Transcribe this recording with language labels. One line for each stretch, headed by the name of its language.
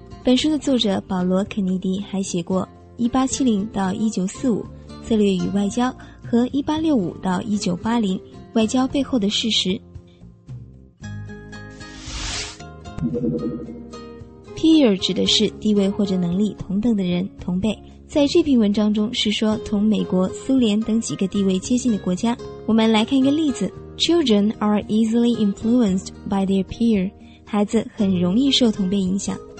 Chinese: 本书的作者保罗·肯尼迪还写过1870到1945策略与外交和1865到1980外交背后的事实。 Peer 指的是地位或者能力同等的人、同辈。在这篇文章中是说同美国、苏联等几个地位接近的国家。我们来看一个例子，
English: Children are easily influenced by their peer.
Chinese: 孩子很容易受同辈影响。